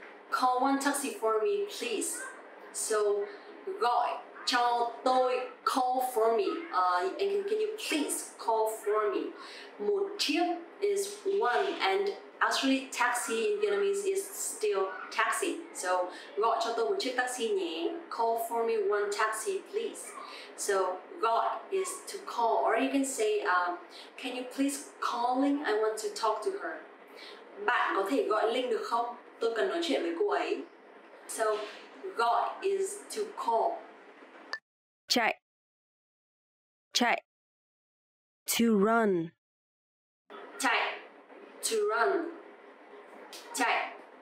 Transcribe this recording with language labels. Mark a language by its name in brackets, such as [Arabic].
[English] Call one taxi for me, please. So, [Vietnamese] gọi cho tôi, [English] call for me. And can you please call for me? Một chiếc is one, and actually taxi in Vietnamese is still taxi. [Vietnamese] So, gọi cho tôi một chiếc taxi nhé. [English] Call for me one taxi, please. So, gọi is to call. Or you can say, can you please calling? I want to talk to her. [Vietnamese] Bạn có thể gọi Linh được không? Tôi cần nói chuyện với cô ấy. [English] So, gọi is to call. [Vietnamese] Chạy, chạy, [English] to run. [Vietnamese] Chạy, [English] to run. [Vietnamese] Chạy.